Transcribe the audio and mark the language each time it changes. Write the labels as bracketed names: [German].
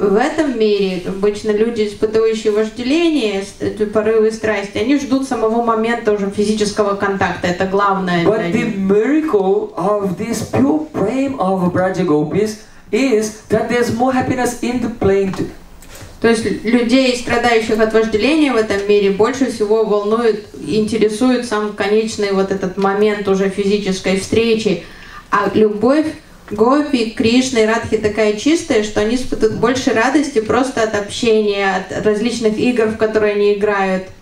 [Russian] В этом мире обычно люди, испытывающие вожделение, порывы страсти, они ждут самого момента уже физического контакта. Это главное. [English] But the miracle of this pure prema of Braja Gopis is that there's more happiness in the plane. [Russian] То есть людей, страдающих от вожделения в этом мире, больше всего волнует, интересует сам конечный вот этот момент уже физической встречи. А любовь Гопи, Кришны и Радхи такая чистая, что они испытывают больше радости просто от общения, от различных игр, в которые они играют.